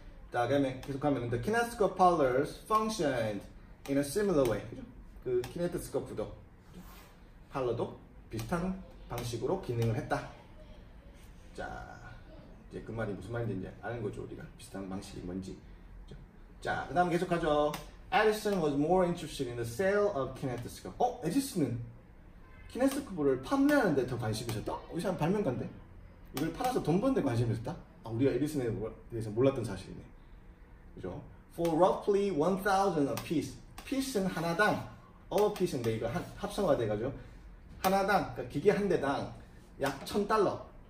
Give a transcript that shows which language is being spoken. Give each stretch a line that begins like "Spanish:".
Korean: 자, 그러면 계속하면
English: the kinetoscope parlors functioned in a similar way.
Korean: 그죠? 그 kinetoscope도 팔러도 비슷한 방식으로 기능을 했다. 자, 이제 그 말이 무슨 말인지 이제 아는 거죠, 우리가. 비슷한 방식이 뭔지. 그죠? 자, 그 다음 계속하죠.
English: Edison was more interested in the sale of kinetoscope. 어?
Korean: 에디슨은 kinetoscope를 판매하는 데 더 관심이 있었다? 우리 사람 발명가인데 이걸 팔아서 돈 버는 데 관심이 있었다? 아, 우리가 에디슨에 대해서 몰랐던 사실이네. 그죠?
English: For roughly 1,000 a piece. piece는
Korean: 하나당. all piece는 이거 합성화 돼가지고 하나당, 그러니까 기계 한 대당 약 $1,000.